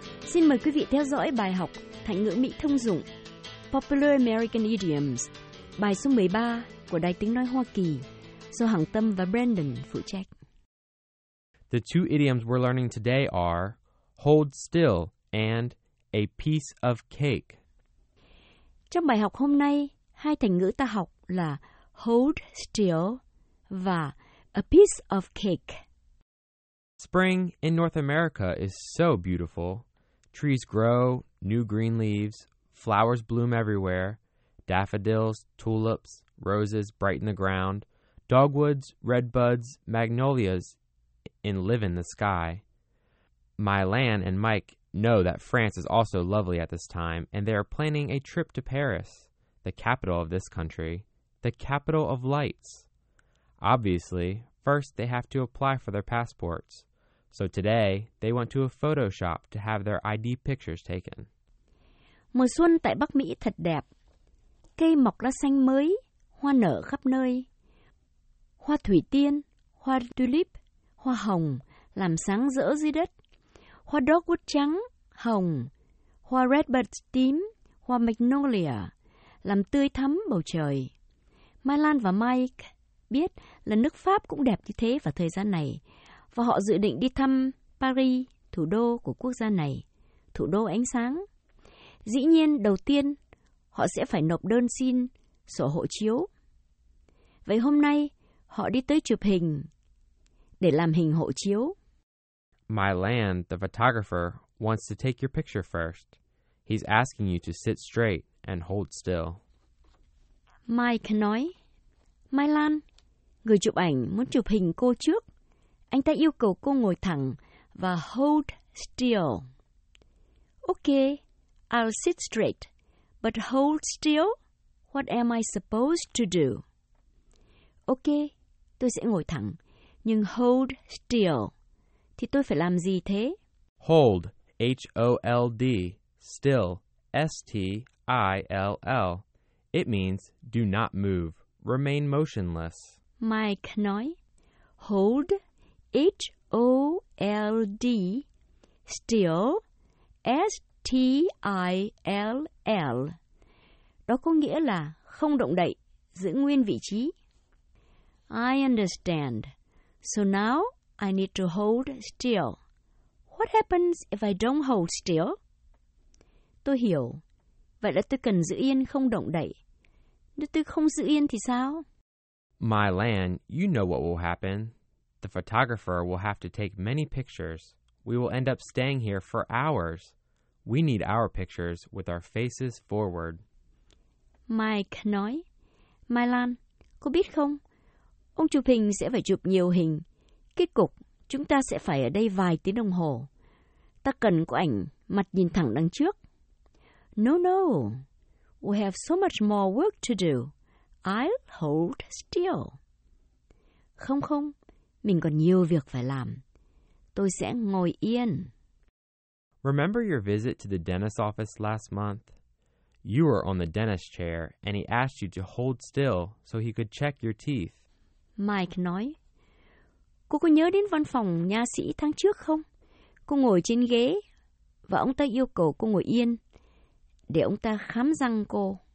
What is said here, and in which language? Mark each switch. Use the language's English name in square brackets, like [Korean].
[Vietnamese] Xin mời quý vị theo dõi bài học Thành ngữ Mỹ thông dụng [English] Popular American Idioms, [Vietnamese] bài số 13 của Đài Tiếng Nói Hoa Kỳ, do Hằng Tâm và Brandon phụ trách. [English] The two idioms we're learning today are hold still and a piece of cake. [Vietnamese] Trong bài học hôm nay, hai thành ngữ ta học là hold still và a piece of cake. [English] Spring in North America is so beautiful. Trees grow, new green leaves, flowers bloom everywhere. Daffodils, tulips, roses brighten the ground. Dogwoods, red buds, magnolias and live in the sky. Mylan and Mike know that France is also lovely at this time, and they are planning a trip to Paris, the capital of this country, the capital of lights. Obviously, first they have to apply for their passports. So today, they went to a photo shop to have their ID pictures taken. [Vietnamese] Mùa xuân tại Bắc Mỹ thật đẹp. Cây mọc lá xanh mới, hoa nở khắp nơi. Hoa thủy tiên, hoa tulip, hoa hồng làm sáng rỡ dưới đất. Hoa dogwood trắng, hồng, hoa redbud tím, hoa magnolia làm tươi thắm bầu trời. Mylan và Mike biết là nước Pháp cũng đẹp như thế vào thời gian này. Và họ dự định đi thăm Paris, thủ đô của quốc gia này, thủ đô ánh sáng. Dĩ nhiên, đầu tiên, họ sẽ phải nộp đơn xin sổ hộ chiếu. Vậy hôm nay, họ đi tới chụp hình để làm hình hộ chiếu. [English] Mylan, the photographer, wants to take your picture first. He's asking you to sit straight and hold still. [Vietnamese] Mike nói, Mylan, người chụp ảnh muốn chụp hình cô trước. Anh ta yêu cầu cô ngồi thẳng và hold still. [English] Okay, I'll sit straight, but hold still? What am I supposed to do? [Vietnamese] Okay, tôi sẽ ngồi thẳng, nhưng hold still. Thì tôi phải làm gì thế? [English] Hold, H-O-L-D, still, S-T-I-L-L. It means do not move, remain motionless. [Vietnamese] Mike nói, hold H-O-L-D, still, S-T-I-L-L. Đó có nghĩa là không động đậy, giữ nguyên vị trí. [English] I understand. So now I need to hold still. What happens if I don't hold still? [Vietnamese] Tôi hiểu. Vậy là tôi cần giữ yên không động đậy. Nếu tôi không giữ yên thì sao? [English] Mylan, you know what will happen. The photographer will have to take many pictures. We will end up staying here for hours. We need our pictures with our faces forward. [Vietnamese] Mike nói, Mylan, cô biết không? Ông chụp hình sẽ phải chụp nhiều hình. Kết cục, chúng ta sẽ phải ở đây vài tiếng đồng hồ. Ta cần có ảnh mặt nhìn thẳng đằng trước. [English] No. We have so much more work to do. I'll hold still. [Vietnamese] Không. Mình còn nhiều việc phải làm. Tôi sẽ ngồi yên. [English] Remember your visit to the dentist's office last month? You were on the dentist chair and he asked you to hold still so he could check your teeth. [Vietnamese] Mike nói, cô có nhớ đến văn phòng nha sĩ tháng trước không? Cô ngồi trên ghế và ông ta yêu cầu cô ngồi yên để ông ta khám răng cô.